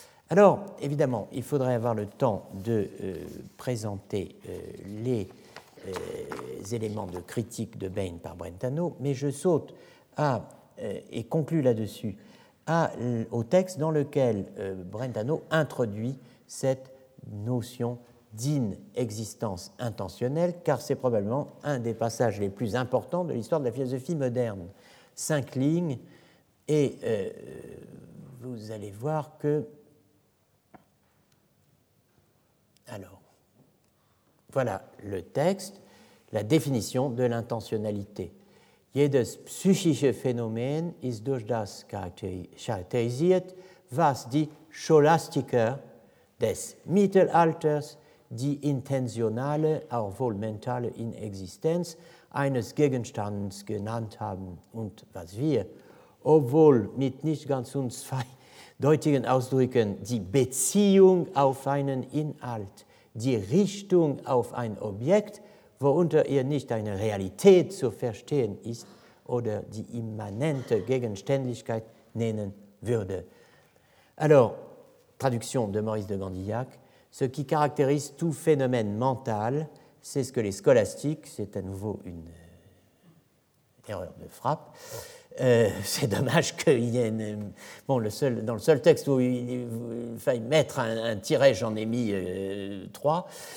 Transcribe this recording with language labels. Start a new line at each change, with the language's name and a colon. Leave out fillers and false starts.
French: Alors, évidemment, il faudrait avoir le temps de présenter les éléments de critique de Bain par Brentano, mais je saute à, et conclue là-dessus, au texte dans lequel Brentano introduit cette notion d'inexistence intentionnelle, car c'est probablement un des passages les plus importants de l'histoire de la philosophie moderne. Cinq lignes, et vous allez voir que... Alors, voilà le texte, la définition de l'intentionnalité.
German: Jedes psychische Phänomen ist durch das charakterisiert, was die Scholastiker des Mittelalters die intentionale, auch wohl mentale Inexistenz eines Gegenstands genannt haben und was wir, obwohl mit nicht ganz unzweideutigen Ausdrücken, die Beziehung auf einen Inhalt, die Richtung auf ein Objekt, worunter ihr nicht eine Realität zu verstehen ist, oder die immanente Gegenständlichkeit nennen würde.
French: Alors, traduction de Maurice de Gandillac, ce qui caractérise tout phénomène mental, c'est ce que les scolastiques, c'est à nouveau une erreur de frappe, c'est dommage qu'il y ait une... Bon, dans le seul texte où il faille mettre un tiret, j'en ai mis trois.